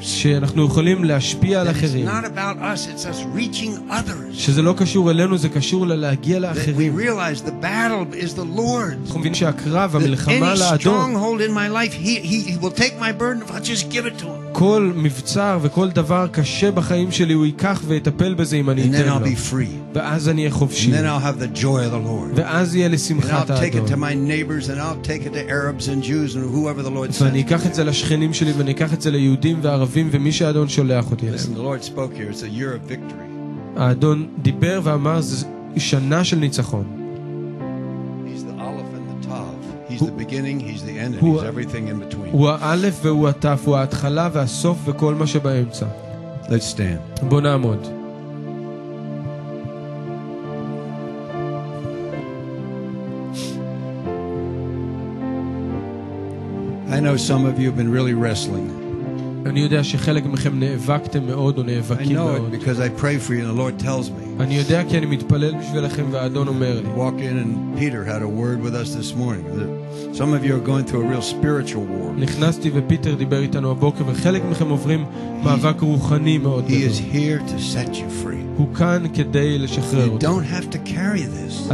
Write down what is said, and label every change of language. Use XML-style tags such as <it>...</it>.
<he>שאנחנו יכולים להשפיע על אחרים.</he> <en>It's not about us, it's us reaching others.</en> <he>שזה לא קשור אלינו, זה קשור להגיע לאחרים.</he> <en>We realize the battle is the Lord's.</en> <he>אנחנו מבינים שהקרב, המלחמה לאדון.</he> <en>Any stronghold in my life, he will take my burden if I just give it to him.</en> <he>כל מבצר וכל דבר קשה בחיים שלי הוא ייקח ויטפל בזה אם אני אתן לו.</he> <en>And then I'll be free.</en> <he>ואז אני אהיה חופשי.</he> <en>And then I'll have the joy of the Lord.</en> <he>ואז יהיה לי שמחת האדון.</he> <en>And I'll take it to my neighbors and I'll take it to Arabs and Jews and whoever the Lord sends.</en> <he>ואני אקח את זה לשכנים שלי ואני אקח את זה ליהודים וערבים ומי שהאדון שולח אותי אליהם.</he> <en>Listen, the Lord spoke here. It's a year of victory.</en> <he>האדון דיבר ואמר, זה שנה של ניצחון.</he> <en>He's the Aleph and the Tav. He's the beginning, he's the end, and he's everything in between.</en> <he>הוא האלף והוא הטף, הוא ההתחלה והסוף וכל מה שבאמצע.</he> <en>Let's stand.</en> <he>בוא נעמוד.</he> <en>I know some of you have been really wrestling.</en> <he>אני יודע שחלק מכם נאבקתם מאוד או נאבקים מאוד.</he> <en>I know it because I pray for you and the Lord tells me.</en> <he>אני יודע כי אני מתפלל בשבילכם ואדון אומר לי.</he> <en>Walk in and Peter had a word with us this morning. Some of you are going through a real spiritual war.</en> <he>נכנסתי ופיטר דיבר איתנו הבוקר וחלק מכם עוברים מאבק רוחני מאוד גדול.</he> <en>He is here to set you free.</en> <he>הוא כאן כדי לשחרר אותך.</he> <en>You don't have to carry this.</en>